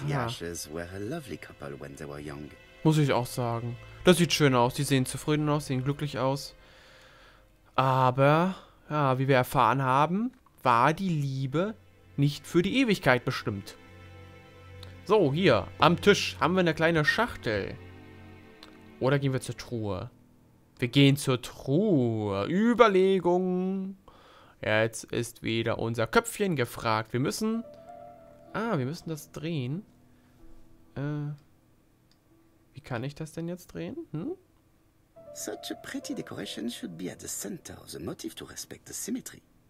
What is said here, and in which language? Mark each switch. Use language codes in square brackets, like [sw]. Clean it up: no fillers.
[en] The Ashers were a lovely couple when they were young. [de] Muss ich auch sagen. Das sieht schön aus. Die sehen zufrieden aus, sehen glücklich aus. Aber, ja, wie wir erfahren haben, war die Liebe nicht für die Ewigkeit bestimmt. So, hier, am Tisch haben wir eine kleine Schachtel. Oder gehen wir zur Truhe? Wir gehen zur Truhe. Überlegung. Jetzt ist wieder unser Köpfchen gefragt. Wir müssen... Ah, wir müssen das drehen. Wie kann ich das denn jetzt drehen? [en] Such a pretty decoration should be at the center of the motif to respect the symmetry.